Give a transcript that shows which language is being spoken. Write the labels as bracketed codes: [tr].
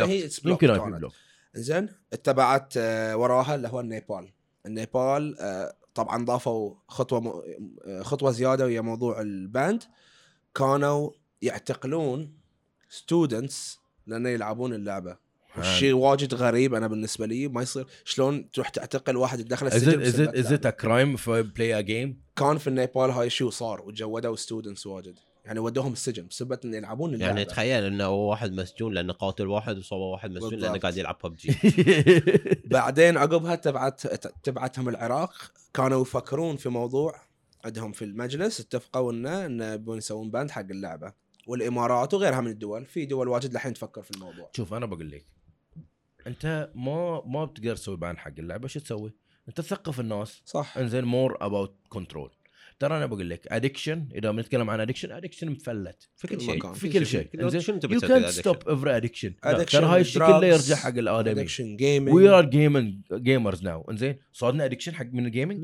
[ar] هي إنزين اتبعت وراها اللي هو النيبال طبعا ضافوا خطوة زيادة ويا موضوع الباند كانوا يعتقلون students لأن يلعبون اللعبة شيء واجد غريب أنا بالنسبة لي ما يصير شلون تروح تعتقل واحد يدخل السجن [en] Is it a crime for play a game؟ [ar] كان في نيبال هاي شو صار وجودوا students واجد يعني ودوهم السجن بسبب أن يلعبون اللعبة يعني تخيل أنه واحد مسجون لأنه قاتل واحد وصوبه واحد مسجون بالضبط. لأنه قاعد يلعب PUBG بعدين عقبها تبعتهم العراق كانوا يفكرون في موضوع عندهم في المجلس اتفقوا أنه يبون يسوون باند حق اللعبة والإمارات وغيرها من الدول في دول واجد لحين تفكر في الموضوع شوف أنا بقول لك أنت ما بتقدر تسوي بان حق اللعبة شو تسوي أنت تثقف الناس صح إنزين [en] more about control [ar] ترى أنا بقول لك addiction إذا بنتكلم عن addiction مفلت في كل شيء في كل شيء إنزين [en] you can't stop every addiction [ar] ترى هاي الشيء كله يرجع حق الآدمي [en] addiction gaming we are gamers now [ar] إنزين صارنا [en] addiction [ar] حق من الجيمينج